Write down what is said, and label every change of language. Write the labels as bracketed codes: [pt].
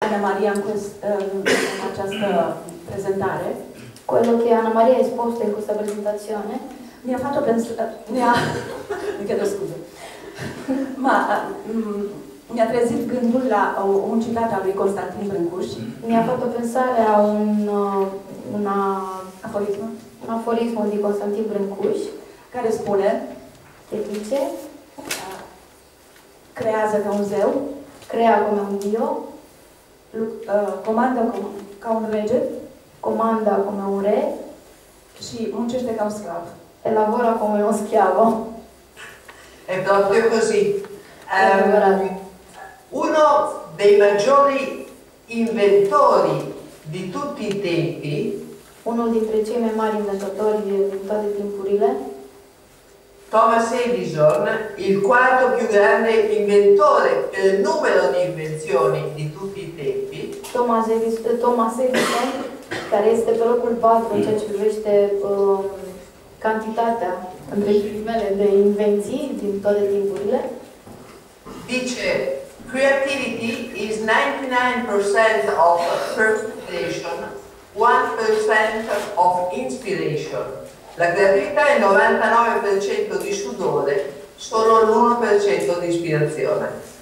[ro] Ana Maria in, in această prezentare. [it] Quello che Ana Maria ha esposto in questa presentazione mi ha fatto pensare, mi ha, mi chiedo scusa, ma mi ha [ro] trezit gândul la un citat al lui Constantin Brâncuș. [it] Mi ha fatto pensare a un aforismo. Un aforismo di Constantin Brâncuș [ro] care spune [it] che dice [ro] creează ca un zeu, [it] crea come un dio, [ro] comanda ca un rege, [it] comanda come un re [ro] și muncește ca un sclav. [it] E lavora come un schiavo. È proprio così. È proprio. Uno dei maggiori inventori di tutti i tempi, [ro] uno dintre cei mai mari inventori [it] di tutti i tempi, Thomas Edison, il quarto più grande inventore per numero di invenzioni di tutti i tempi. [ro] Thomas Edison, care este pe locul 4 în ceea ce privește cantitatea între primele de invenții din toate timpurile. [it] Dice, [en] creativity is 99% of perspiration, 1% of inspiration. [it] La creatività è il 99% di sudore, solo l'1% di ispirazione.